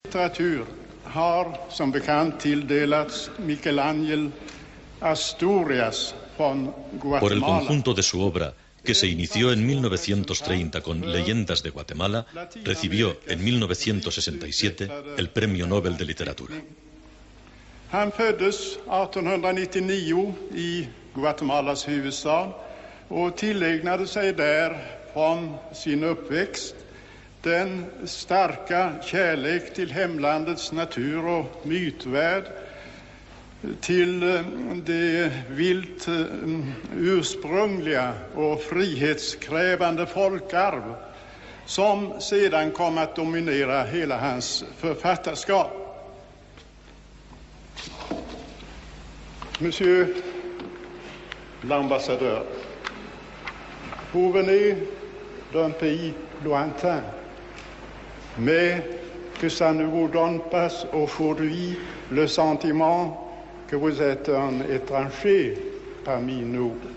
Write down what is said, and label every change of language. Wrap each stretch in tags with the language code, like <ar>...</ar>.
<sv>litteratur har som bekant tilldelats Michelangel Asturias från Guatemala.</sv> <es>Por el conjunto de su obra, que se inició en 1930 con Leyendas de Guatemala, recibió en 1967 el Premio Nobel de Literatura.</es> <sv>Han föddes 1899 i Guatemalas huvudstad och tillägnade sig där från sin uppväxt den starka kärlek till hemlandets natur och mytvärld, till det vilt ursprungliga och frihetskrävande folkarv som sedan kom att dominera hela hans författarskap.</sv> <fr>Monsieur l'ambassadeur, vous venez d'un pays lointain. Mais que ça ne vous donne pas aujourd'hui le sentiment que vous êtes un étranger parmi nous.</fr>